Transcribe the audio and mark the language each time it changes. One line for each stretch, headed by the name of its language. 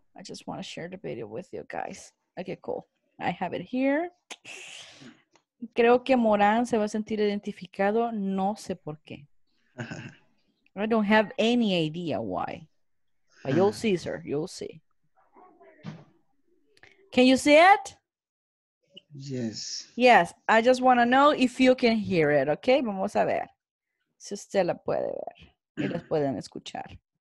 English: I just want to share the video with you guys. Okay, cool. I have it here.
Spanish: Creo que Morán se va a sentir identificado. No sé por qué.
English: I don't have any idea why. But you'll see, sir. You'll see. Can you see it? Yes. Yes. I just want to know if you can hear it, okay?
Spanish: Vamos a ver si usted la puede ver y los pueden escuchar.